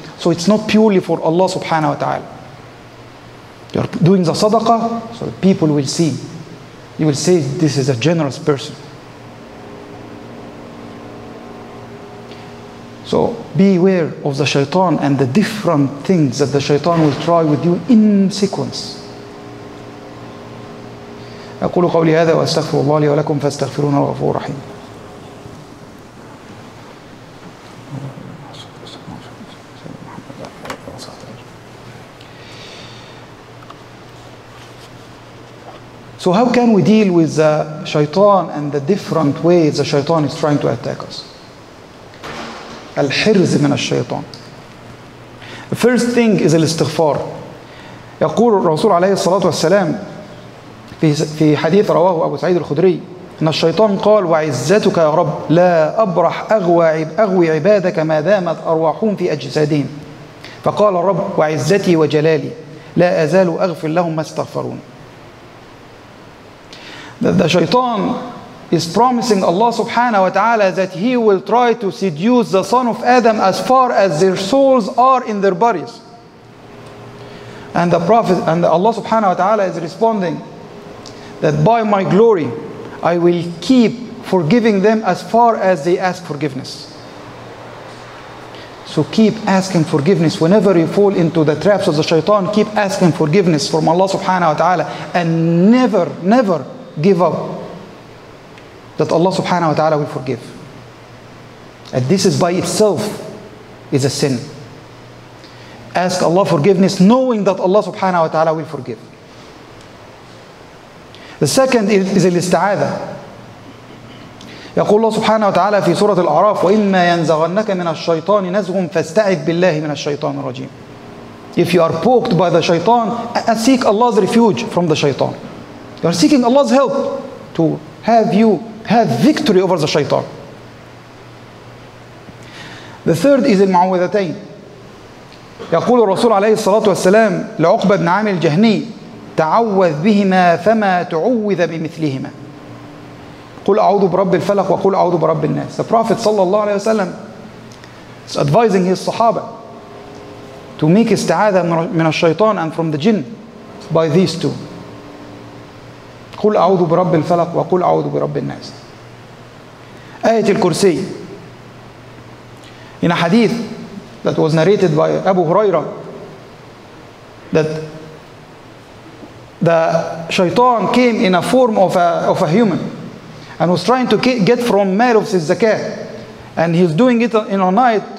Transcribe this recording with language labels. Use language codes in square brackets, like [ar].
[en] So it's not purely for Allah subhanahu wa ta'ala. You're doing the sadaqah, so the people will see. You will say, this is a generous person. So beware of the shaitan and the different things that the shaitan will try with you in sequence. [ar] أقول قولي هذا وأستغفر الله لي ولكم فاستغفرونه الغفور الرحيم. [en] So how can we deal with the shaitan and the different ways the shaitan is trying to attack us? [ar] الحرز من الشيطان. [en] The first thing is الاستغفار. [ar] يقول الرسول عليه الصلاة والسلام في حديث رواه أبو سعيد الخدري أن الشيطان قال: وعزتك يا رب لا أبرح أغوي عبادك ما دامت أرواحهم في أجسادهم. فقال الرب: وعزتي وجلالي لا أزال أغفر لهم ما استغفرون. [en] The shaitan is promising Allah subhanahu wa ta'ala that he will try to seduce the son of Adam as far as their souls are in their bodies. And the Prophet and Allah subhanahu wa ta'ala is responding that by my glory I will keep forgiving them as far as they ask forgiveness. So keep asking forgiveness. Whenever you fall into the traps of the shaitan, keep asking forgiveness from Allah subhanahu wa ta'ala and never, never give up that Allah subhanahu wa ta'ala will forgive. And this is by itself is a sin. Ask Allah forgiveness knowing that Allah subhanahu wa ta'ala will forgive. The second is al-ista'adha. [ar] يقول الله سبحانه وتعالى في سورة الأعراف: وإما ينزغنك من الشيطان نزغ فاستعذ بالله من الشيطان الرجيم. [en] If you are poked by the shaitan, seek Allah's refuge from the shaitan. You are seeking Allah's help to have you have victory over the shaitan. The third is المعوذتين. [ar] يقول الرسول عليه الصلاة والسلام لعقبة بن عامر الجهني: تعوذ بهما فما تعوذ بمثلهما. قل أعوذ برب الفلق وقل أعوذ برب الناس. [en] The Prophet صلى الله عليه وسلم is advising his Sahaba to make [ar] استعاذة من الشيطان [en] and from the jinn by these two. [ar] قل أعوذ برب الفلق وقل أعوذ برب الناس. آية الكرسي. [en] In a hadith that was narrated by Abu Huraira that the shaitan came in a form of a human and was trying to get from Mal of his zakah, and he's doing it in a night.